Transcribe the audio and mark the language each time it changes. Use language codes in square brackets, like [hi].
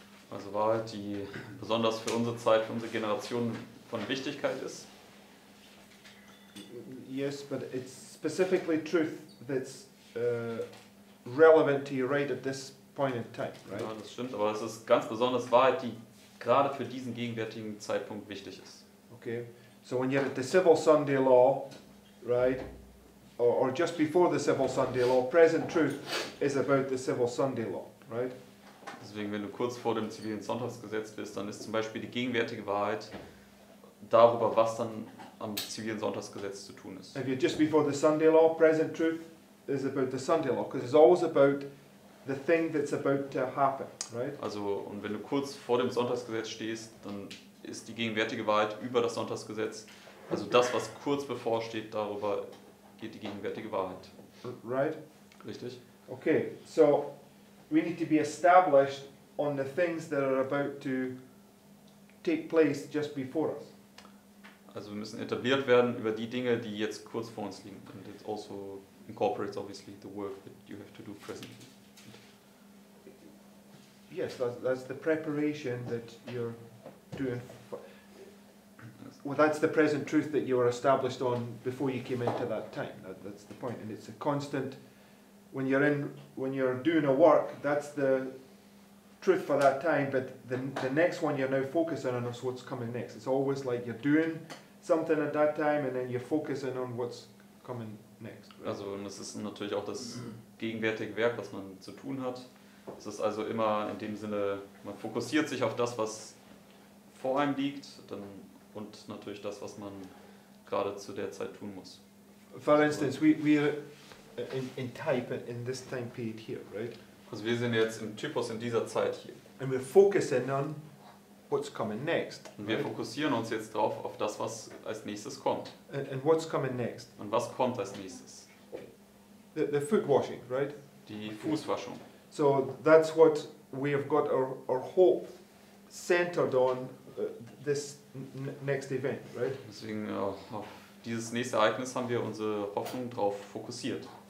[de] Also Wahrheit, die besonders für unsere Zeit, für unsere Generation von Wichtigkeit ist. [en] Yes, but it's specifically truth that's relevant to you right at this point in time, right? [de] Ja, das stimmt, aber es ist ganz besonders Wahrheit, die gerade für diesen gegenwärtigen Zeitpunkt wichtig ist. [en] Okay, so when you're at the civil Sunday law, right? Or just before the civil Sunday law, present truth is about the civil Sunday law, right? [de] Deswegen, wenn du kurz vor dem zivilen Sonntagsgesetz bist, dann ist zum Beispiel die gegenwärtige Wahrheit darüber, was dann am zivilen Sonntagsgesetz zu tun ist. [en] If you're just before the Sunday law, present truth is about the Sunday law, because it's always about the thing that's about to happen, right? [de] Also, und wenn du kurz vor dem Sonntagsgesetz stehst, dann ist die gegenwärtige Wahrheit über das Sonntagsgesetz, also das, was kurz bevorsteht, darüber geht die gegenwärtige Wahrheit. [en] Right? [de] Richtig. [en] Okay, so we need to be established on the things that are about to take place just before us. [de] Also wir müssen etabliert werden über die Dinge, die jetzt kurz vor uns liegen. [en] And it also incorporates obviously the work that you have to do presently. Yes, that's the preparation that you're doing. Well, that's the present truth that you were established on before you came into that time. That's the point. And it's a constant. When you're doing a work, that's the truth for that time, but the next one you're now focusing on is what's coming next. It's always like you're doing something at that time and then you're focusing on what's coming next. Right? [de] Also, und es ist natürlich auch das gegenwärtige Werk, was man zu tun hat. Es ist also immer in dem Sinne, man fokussiert sich auf das, was vor einem liegt, dann, und natürlich das, was man gerade zu der Zeit tun muss. [en] For instance, we're in type in this time period here, right? [de] Also wir sind jetzt im Typus in dieser Zeit hier. [en] And we're focusing on what's coming next. [de] Und wir fokussieren uns jetzt drauf auf das, was als nächstes kommt. [en] And what's coming next? [de] Und was kommt als nächstes? [en] The foot washing, right? [de] Die Fußwaschung. [en] So that's what we have got our hope centered on this next event, right? [de] Deswegen auf dieses nächste Ereignis haben wir unsere Hoffnung drauf fokussiert.